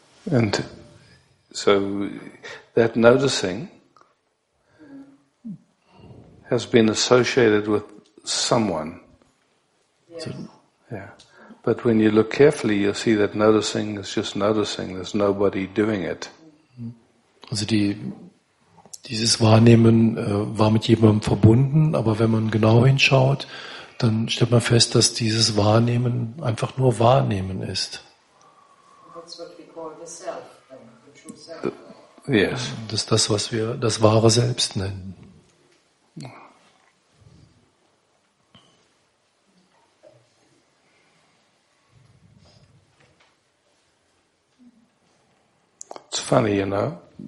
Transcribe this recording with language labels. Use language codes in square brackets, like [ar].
[en] And so that noticing has been associated with someone. Yes. So, yeah. But when you look carefully, you'll see that noticing is just noticing. There's nobody doing it. [de] Also dieses Wahrnehmen war mit jemandem verbunden, aber wenn man genau hinschaut, dann stellt man fest, dass dieses Wahrnehmen einfach nur Wahrnehmen ist. [en] That's what we call the self, the true self. Yes. [de] Das ist das, was wir das wahre Selbst nennen. [en] It's funny, you know.